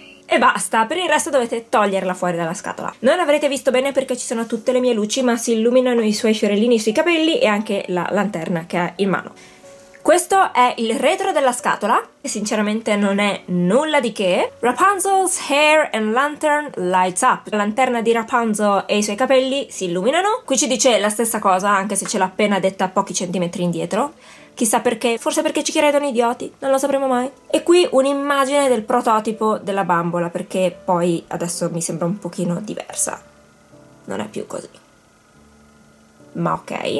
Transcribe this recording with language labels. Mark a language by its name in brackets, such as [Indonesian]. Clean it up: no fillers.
[Italian] E basta, per il resto dovete toglierla fuori dalla scatola. Non l'avrete visto bene perché ci sono tutte le mie luci, ma si illuminano i suoi fiorellini sui capelli e anche la lanterna che ha in mano. Questo è il retro della scatola, e sinceramente non è nulla di che. [English] Rapunzel's hair and lantern lights up. [Italian] La lanterna di Rapunzel e i suoi capelli si illuminano. Qui ci dice la stessa cosa, anche se ce l'ha appena detta a pochi centimetri indietro. Chissà perché, forse perché ci credono idioti, non lo sapremo mai. E qui un'immagine del prototipo della bambola, perché poi adesso mi sembra un pochino diversa. Non è più così. Ma ok.